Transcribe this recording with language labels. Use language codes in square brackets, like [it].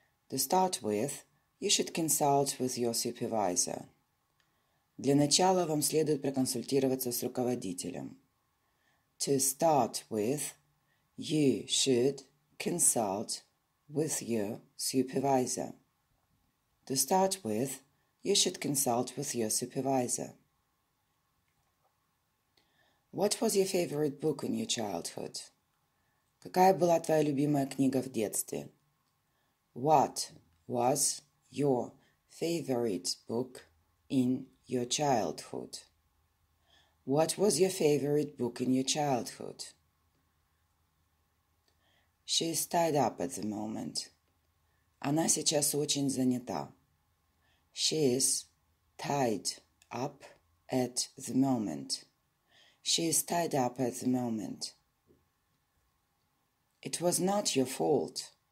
[en] To start with, you should consult with your supervisor. [ru] Для начала вам следует проконсультироваться с руководителем. [en] To start with, you should consult with your supervisor. To start with, you should consult with your supervisor. What was your favorite book in your childhood? [ru] Какая была твоя любимая книга в детстве? [en] What was your favorite book in your childhood? What was your favorite book in your childhood? She is tied up at the moment. [ru] Она сейчас очень занята. [en] She is tied up at the moment. She is tied up at the moment. It was not your fault.